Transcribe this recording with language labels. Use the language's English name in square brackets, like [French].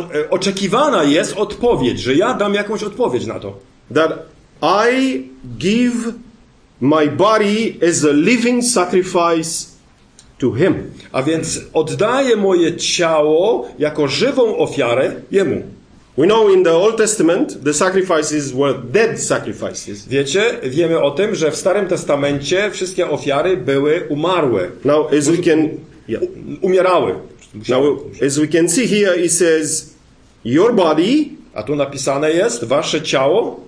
[Polish] Oczekiwana jest odpowiedź, że ja dam jakąś odpowiedź na to. [English] That I give my body as a living sacrifice to him. [Polish] A więc oddaję moje ciało jako żywą ofiarę jemu. [English] We know in the Old Testament the sacrifices were dead sacrifices. [Polish] Wiecie, wiemy o tym, że w Starym Testamencie wszystkie ofiary były umarłe. [English] Now as we can [Polish] umierały. [English] Now as we can see here it says your body, [Polish] a tu napisane jest wasze ciało,